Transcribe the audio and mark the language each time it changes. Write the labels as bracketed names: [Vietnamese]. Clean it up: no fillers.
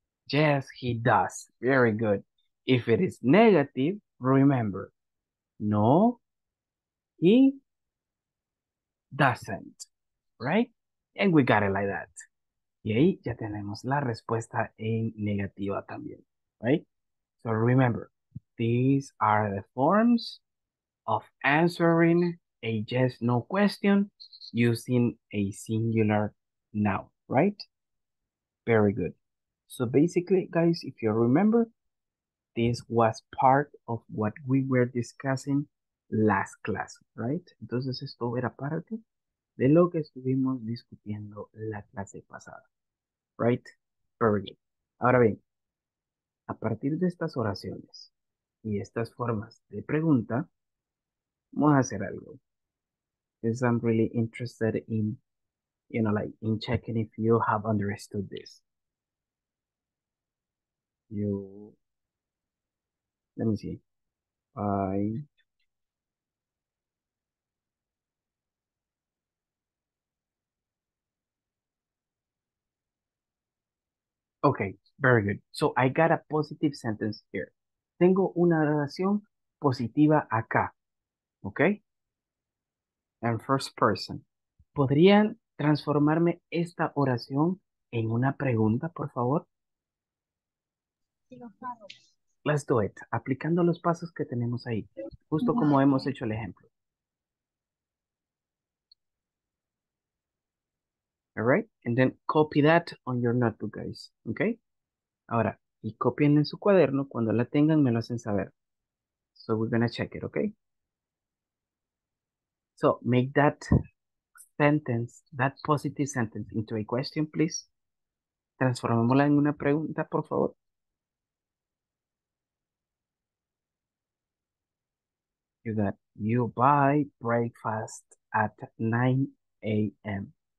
[English] Yes, he does. Very good. If it is negative, remember, no, he doesn't. Right? And we got it like that. [Spanish] Y ahí ya tenemos la respuesta en negativa también. [English] Right? So remember, these are the forms of answering a yes, no question using a singular noun. Right? Very good. So basically, guys, if you remember, this was part of what we were discussing last class, right? [Spanish] Entonces, esto era parte de lo que estuvimos discutiendo la clase pasada, right? [English] Very good. [Spanish] Ahora bien, a partir de estas oraciones y estas formas de pregunta, vamos a hacer algo. [English] Because I'm really interested in, you know, like in checking if you have understood this. You, let me see. I Okay, very good. So I got a positive sentence here. [Spanish] Tengo una relación positiva acá. Okay? [English] And first person. [Spanish] ¿Podrían transformarme esta oración en una pregunta, por favor? [English] Let's do it. [Spanish] Aplicando los pasos que tenemos ahí. Justo como hemos hecho el ejemplo. [English] All right, and then copy that on your notebook, guys, okay? [Spanish] Ahora, y copien en su cuaderno, cuando la tengan, me lo hacen saber. [English] So we're gonna check it, okay? So make that sentence, that positive sentence into a question, please. [Spanish] Transformémosla en una pregunta, por favor. [English] You got, you buy breakfast at 9 a.m.